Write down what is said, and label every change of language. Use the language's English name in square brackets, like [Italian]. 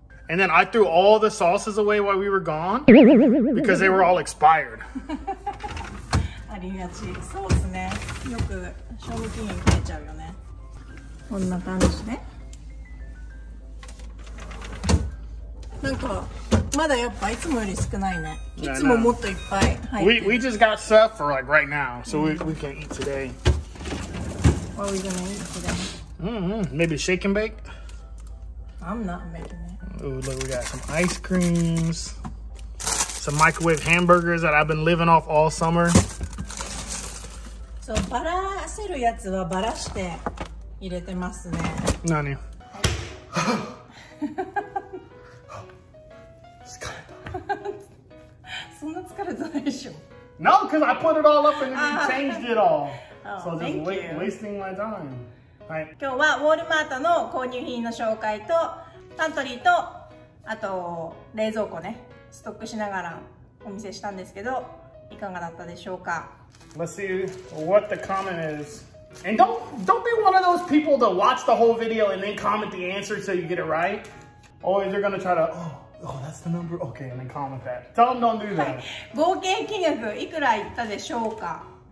[English] And then I threw all the sauces away while we were gone because they were all expired. [Japanese] ありがち。そうですね。よく賞味期限切れちゃうよね。こんな感じね。なんかまだやっぱいつもより少ないね。いつももっといっぱい入ってる。 [English] We just got stuff for like right now, so we can eat today. What are we gonna eat today? Maybe shake and bake? I'm not making it. Ooh, look, we got some ice creams, some microwave hamburgers that I've been living off all summer. [Japanese] So, バラせるやつはバラして入れてますね。何？疲れた。そんな疲れてないでしょ。 [English] No, because I put it all up and then changed it all. So, just wasting my time. [Japanese] 今日はウォルマートの購入品の紹介とパントリーとあと冷蔵庫ねストックしながらお見せしたんですけど、いかがだったでしょうか。 [English] Let's see what the comment is. And don't be one of those people that watch the whole video and then comment the answer till you get it right. Or they're gonna try to, oh, that's the number, okay, and then comment that. Tell them don't do that. [Japanese] 合計金額いくらいったでしょうか。